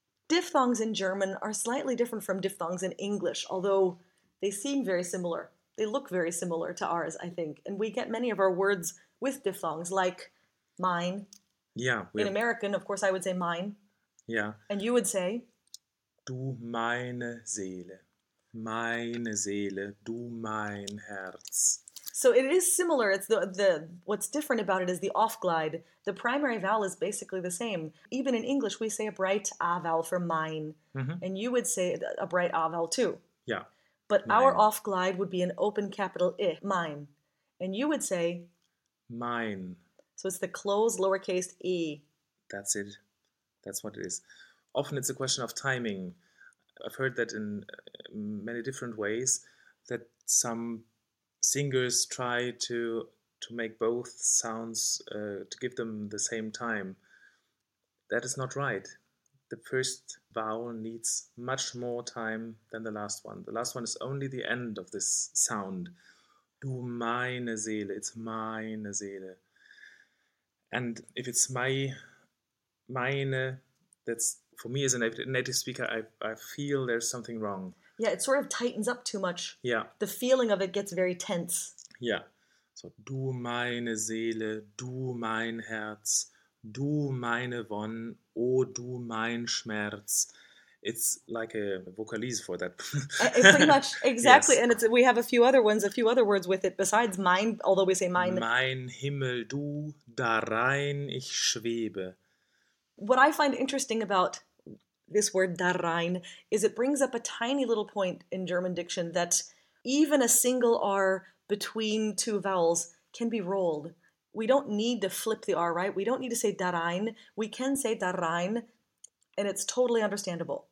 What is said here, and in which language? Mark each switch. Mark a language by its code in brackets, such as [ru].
[en] Diphthongs in German are slightly different from diphthongs in English, although they seem very similar. They look very similar to ours, I think. And we get many of our words with diphthongs, like mine. Yeah. In American, of course, I would say mine. Yeah. And you would say? [de] Du meine Seele. Meine Seele, du mein Herz. [en] So it is similar. It's the what's different about it is the off glide. The primary vowel is basically the same. Even in English, we say a bright A vowel for mine. Mm-hmm. And you would say a bright A vowel too. Yeah. But mine. Our off glide would be an open capital I, mine. And you would say? Mine. So it's the closed lowercase e. That's it. That's what it is. Often it's a question of timing. I've heard that in many different ways, that some singers try to make both sounds, to give them the same time. That is not right. The first vowel needs much more time than the last one. The last one is only the end of this sound. [de] Du meine Seele. [en] It's meine Seele. And if it's meine, that's, for me as a native speaker, I feel there's something wrong. Yeah, it sort of tightens up too much. Yeah. The feeling of it gets very tense. Yeah. [de] So, du meine Seele, du mein Herz, du meine Wonne, oh du mein Schmerz. [en] It's like a vocalise for that. Pretty much, exactly. Yes. And it's, we have a few other ones, a few other words with it besides mein, although we say mein. [de] Mein Himmel, du, darein ich schwebe. [en] What I find interesting about this word darein is it brings up a tiny little point in German diction that even a single R between two vowels can be rolled. We don't need to flip the R, right? We don't need to say darein. We can say darein, and it's totally understandable.